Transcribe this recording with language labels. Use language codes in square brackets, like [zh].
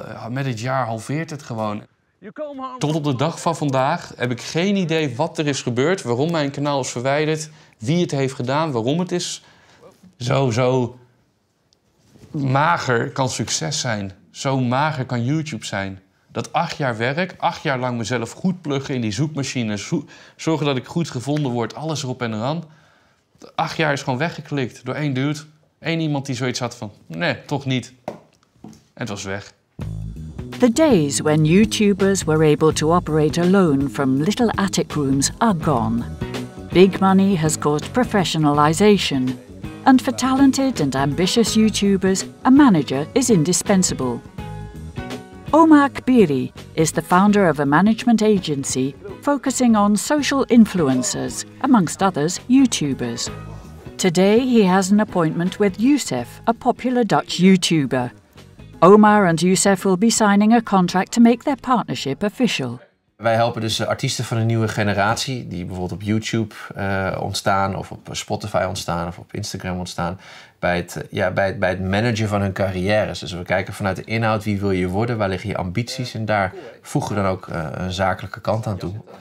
[nl] Met het jaar halveert het gewoon. Tot op de dag van vandaag heb ik geen idee wat er is gebeurd, waarom mijn kanaal is verwijderd, wie het heeft gedaan, waarom het is zo mager kan succes zijn. Zo mager kan YouTube zijn. Dat 8 jaar werk, 8 jaar lang mezelf goed pluggen in die zoekmachine, zorgen dat ik goed gevonden word, alles erop en eraan. 8 jaar is gewoon weggeklikt door 1 dude. 1 iemand die zoiets had van, nee, toch niet. En het was weg. [en] The days when YouTubers were able to operate alone from little attic rooms are gone. Big money has caused professionalization. And for talented and ambitious YouTubers, a manager is indispensable. Omar Kbiri is the founder of a management agency focusing on social influencers, amongst others, YouTubers. Today he has an appointment with Youssef, a popular Dutch YouTuber. Omar and Youssef will be signing a contract to make their partnership official. [nl] Wij helpen dus artiesten van een nieuwe generatie die bijvoorbeeld op YouTube ontstaan of op Spotify ontstaan of op Instagram ontstaan bij het managen van hun carrières. Dus we kijken vanuit de inhoud wie wil je worden, waar liggen je ambities en daar voegen we dan ook een zakelijke kant aan toe.